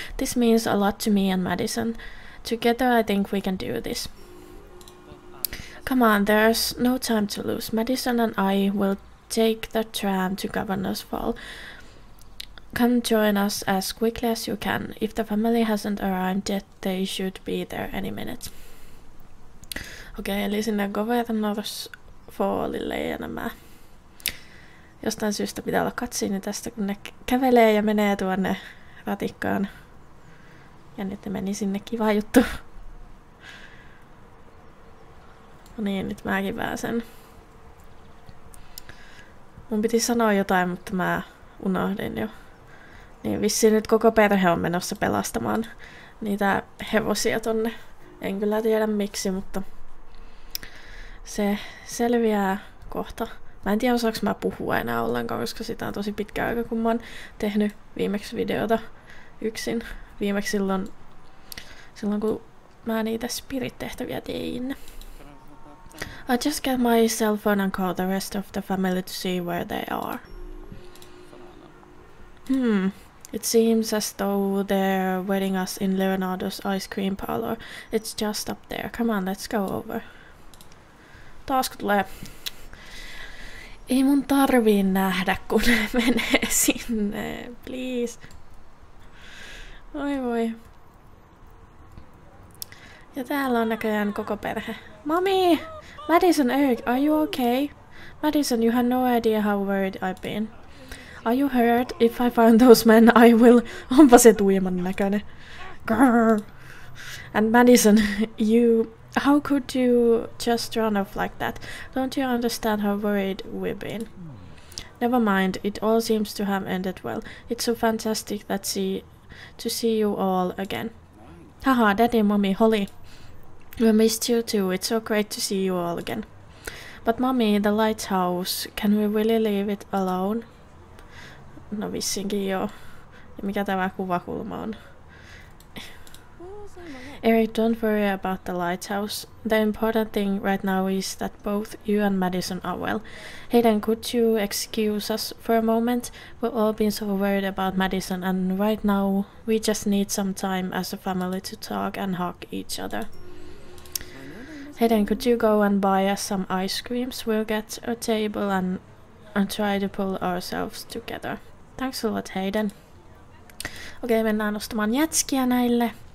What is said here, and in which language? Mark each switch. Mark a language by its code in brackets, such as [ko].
[en] This means a lot to me and Madison. Together, I think we can do this. Come on, there's no time to lose. Madison and I will take the tram to Governor's Fall. Come join us as quickly as you can. If the family hasn't arrived yet, they should be there any minute. [fi] Okei, eli sinne Governor's Fallille ja nämä. Jostain syystä pitää olla katsiini tästä, kun ne kävelee ja menee tuonne ratikkaan. Ja nyt meni sinne, kiva juttu. No niin, nyt mäkin pääsen. Mun piti sanoa jotain, mutta mä unohdin jo. Niin vissiin nyt koko perhe on menossa pelastamaan niitä hevosia tonne. En kyllä tiedä miksi, mutta se selviää kohta. Mä en tiedä, osaanko mä puhua enää ollenkaan, koska sitä on tosi pitkä aika, kun mä oon tehnyt viimeksi videota yksin. Viimeksi silloin, kun mä niitä spirit-tehtäviä tein. [en] I just get my cell phone and call the rest of the family to see where they are. It seems as though they're waiting us in Leonardo's ice cream parlor. It's just up there. Come on, let's go over. [fi] Taas kun tulee. Ei mun tarvii nähdä, kun ne menee sinne. Please. Oi voi. Ja täällä on näköjään koko perhe. [en] Mommy! Madison, Eric, are you okay? Madison, you have no idea how worried I've been. Are you hurt? If I find those men, I will... [fi] Onpa se tuiman näköinen. [en] Grrr. And Madison, you... How could you just run off like that? Don't you understand how worried we've been? Never mind, it all seems to have ended well. It's so fantastic that she... to see you all again. Haha, Daddy and Mommy, Holly. We missed you too, it's so great to see you all again. But Mommy, the lighthouse, can we really leave it alone? [fi] No vissinkin joo. Ja mikä tämä kuvakulma on? [en] Eric, don't worry about the lighthouse. The important thing right now is that both you and Madison are well. Hayden, could you excuse us for a moment? We've all been so worried about Madison, and right now we just need some time as a family to talk and hug each other. Hayden, could you go and buy us some ice creams? We'll get a table and try to pull ourselves together. Thanks a lot, Hayden. [fi] Okei, mennään ostamaan jätskiä näille.